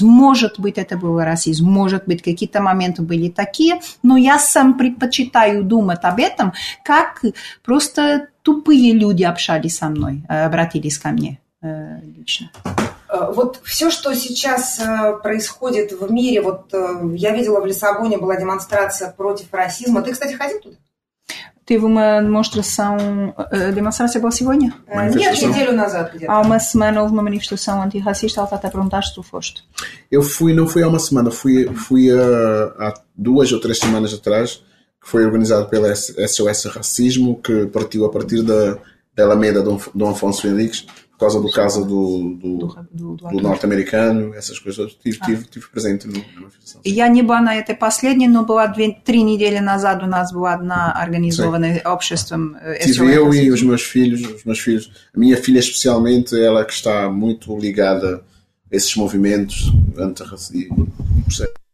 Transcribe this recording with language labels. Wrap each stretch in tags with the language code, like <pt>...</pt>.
<ru>Может быть, это был расизм. Может быть, какие-то моменты были такие, но я сам предпочитаю думать об этом, как просто тупые люди общались со мной, обратились ко мне лично. Вот все, что сейчас происходит в мире, вот я видела, в Лиссабоне была демонстрация против расизма. Ты, кстати, ходил туда?</ru> <pt>Teve uma demonstração, demonstração boa</pt> <ru>сегодня? Нет, неделю назад где-то.</ru> <pt>Há uma semana houve uma manifestação antirracista, ela está até a perguntar se tu foste. Eu fui, não fui há uma semana, fui há duas ou três semanas atrás, que foi organizado pela SOS Racismo, que partiu a partir da Alameda de Dom Afonso Félix, por causa do caso do norte-americano, essas coisas, tive presente na manifestação.</pt> <ru>Я не была на этой последней, но была три недели назад у нас была одна организованная обществом</ru> <en>SOS.</en> <pt>Tive eu e os meus filhos, a minha filha especialmente, ela que está muito ligada a esses movimentos antirracismo, percebe?</pt>